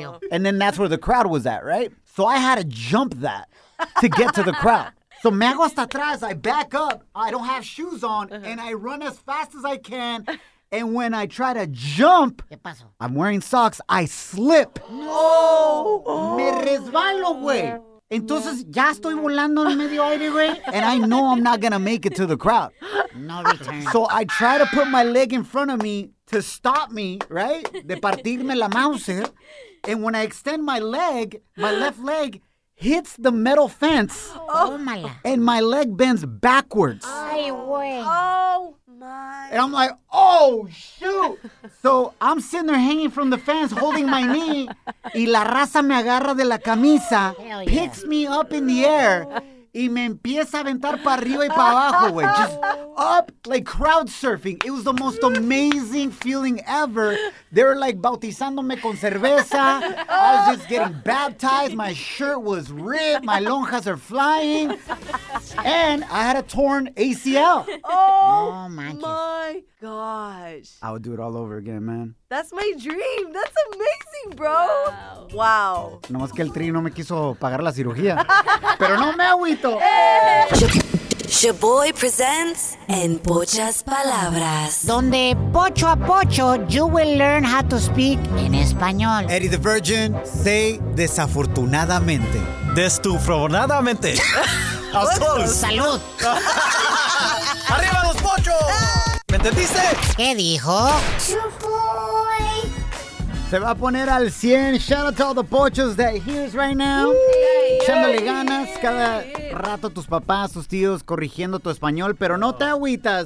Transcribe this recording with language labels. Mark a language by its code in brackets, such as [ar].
[en] And then that's where the crowd was at, right? So I had to jump that to get to the crowd. So [es] me hago hasta atrás, [en] I back up, I don't have shoes on, and I run as fast as I can. And when I try to jump, I'm wearing socks, I slip. No! [es] Me resbalo, güey. Entonces, ya estoy volando en medio aire, güey. [en] And I know I'm not going to make it to the crowd. No return. So I try to put my leg in front of me to stop me, right? [es] De partirme la mouser. [en] And when I extend my leg, my left leg, hits the metal fence, and my leg bends backwards. [es] Ay, güey. [en] Oh, my. And I'm like, oh, shoot. So I'm sitting there hanging from the fence, holding my knee, [es] y la raza me agarra de la camisa, [en] yeah, picks me up in the air, [es] y me empieza a aventar para arriba y para abajo, güey. [en] Just up, like crowd surfing. It was the most amazing feeling ever. They were like [es] bautizándome con cerveza. [en] I was just getting baptized. My shirt was ripped. My lonjas are flying. And I had a torn ACL. My gosh. I would do it all over again, man. That's my dream. That's amazing, bro. Wow. [es] No más que el Tri no me quiso pagar la cirugía. Pero no me agüito. [en] Shoboy presents En Pochas Palabras. [es] Donde pocho a pocho, [en] you will learn how to speak [es] en español. [en] Eddie the Virgin, say desafortunadamente. [es] Destufronadamente. A salud. Salud. Arriba los pochos. ¿Me entendiste? ¿Qué dijo? Shoboy. Se va a poner al 100. [en] Shout out to all the pochos that hears right now. [es] Echándole ganas cada rato tus papás, tus tíos, corrigiendo tu español, pero no te agüitas.